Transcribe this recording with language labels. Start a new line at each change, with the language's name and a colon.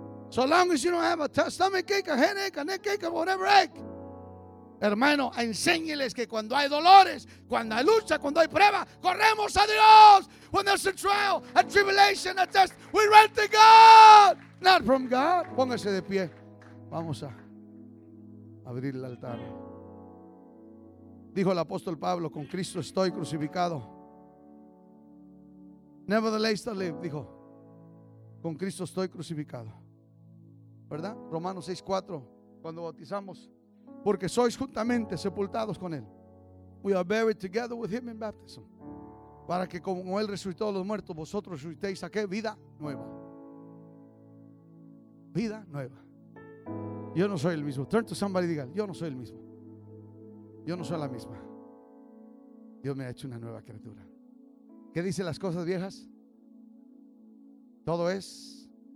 English: So long as you don't have a stomach ache, a headache, a neck ache, or whatever ache.
Spanish: Hermano, enséñeles que cuando hay dolores, cuando hay lucha, cuando hay prueba, corremos a Dios.
English: When there's a trial, a tribulation, a test, we run to God, not from God.
Spanish: Póngase de pie. Vamos a abrir el altar. Dijo el apóstol Pablo, con Cristo estoy crucificado.
English: Nevertheless I live,
Spanish: dijo. Con Cristo estoy crucificado. ¿Verdad? Romanos 6:4, cuando bautizamos, porque sois juntamente sepultados con Él.
English: We are buried together with Him in baptism.
Spanish: Para que como Él resucitó a los muertos, vosotros resucitéis a qué? Vida nueva. Vida nueva. Yo no soy el mismo.
English: Turn to somebody and
Spanish: diga, yo no soy el mismo. Yo no soy la misma. Dios me ha hecho una nueva criatura. ¿Qué dice las cosas viejas? Todo es.